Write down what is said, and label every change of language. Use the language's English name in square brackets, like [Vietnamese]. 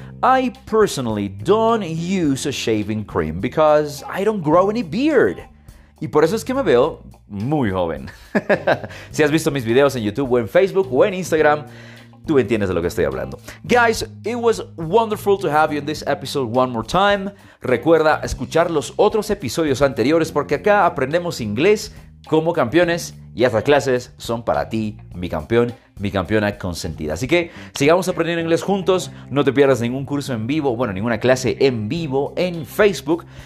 [English] I personally don't use a shaving cream because I don't grow any beard. [Spanish] Y por eso es que me veo muy joven. Si has visto mis videos en YouTube o en Facebook o en Instagram, tú entiendes de lo que estoy hablando. [English] Guys, it was wonderful to have you in this episode one more time. [Spanish] Recuerda escuchar los otros episodios anteriores porque acá aprendemos inglés como campeones y estas clases son para ti, mi campeón, mi campeona consentida. Así que sigamos aprendiendo inglés juntos. No te pierdas ningún curso en vivo, bueno, ninguna clase en vivo en Facebook.